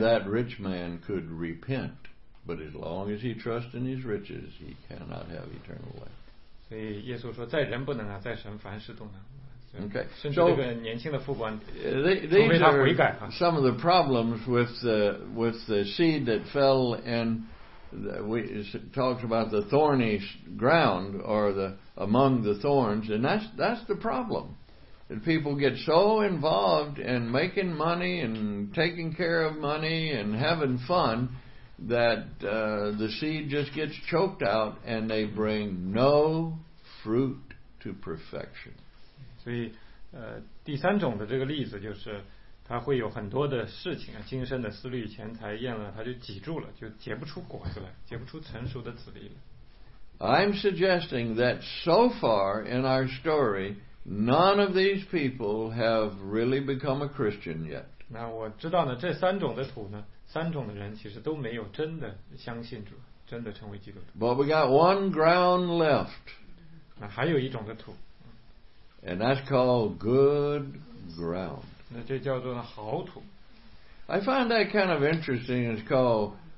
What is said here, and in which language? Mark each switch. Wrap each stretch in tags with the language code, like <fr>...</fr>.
<en>that rich man could repent, but as long as he trusts in his riches, he cannot have eternal life.</en> <zh>所以耶稣说，在人不能啊，在神凡事都能。</zh> <en>Okay.</en> <zh>甚至这个年轻的副官，除非他悔改啊。</zh> <en>Some of the problems with the seed that fell in, we talked about the thorny ground or the among the thorns, and that's the problem. And people get so involved in making money and taking care of money and having fun that the seed just gets choked out and they bring no fruit to perfection.</en> <zh>所以第三种的这个例子就是他会有很多的事情啊，今生的思虑钱财厌了他就挤住了，就结不出果子来，结不出成熟的籽粒了。</zh> <en>I'm suggesting that so far in our story,None of these people have really become a Christian yet.</en> <zh>那我知道呢，这三种的土呢，三种的人其实都没有真的相信主，真的成为基督徒。</zh> <en>But we got one ground left.</en> <zh>那还有一种的土。</zh> <en>And that's called good ground.</en> <zh>那这叫做好土。</zh> <en>I find that kind of interesting. It's called</en>